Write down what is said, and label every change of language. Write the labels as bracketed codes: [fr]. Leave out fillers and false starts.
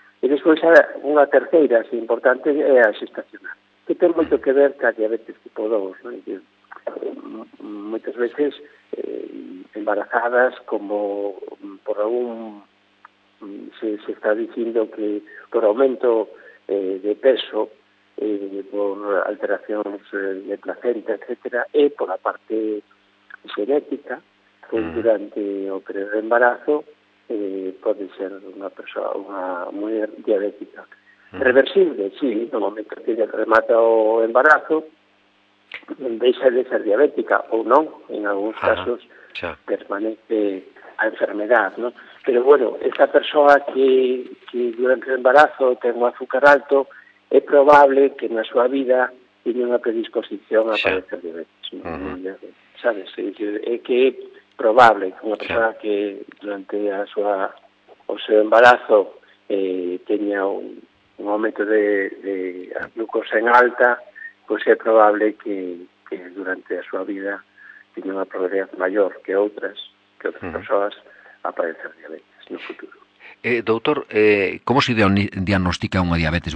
[gl] E despois, unha terceira, se importante, é a gestacional, que ten moito que ver ca diabetes tipo 2, non, dicir, moitas veces embarazadas, como por algún se está dicindo que por aumento [es] de peso, por alteraciones de placenta, etcétera, y por la parte genética, que durante o periodo de embarazo puede ser una persona una mujer diabética. ¿Reversible? Sí, en el momento que [gl] ya remata o embarazo, [es] deja de ser diabética o no, en algunos casos permanece a enfermedad, ¿no? Pero bueno, esta persona que durante el embarazo tenga un azúcar alto, es probable que en su vida tiene una predisposición a padecer diabetes. ¿Sabes? Es que es probable que una persona que [gl] durante a sua, [es] o su embarazo tenga un aumento de glucosa en alta, pues es probable que durante a su vida tiene una probabilidad mayor que otras personas a padecer diabetes en el futuro. Doctor, ¿cómo se diagnostica [gl] unha diabetes?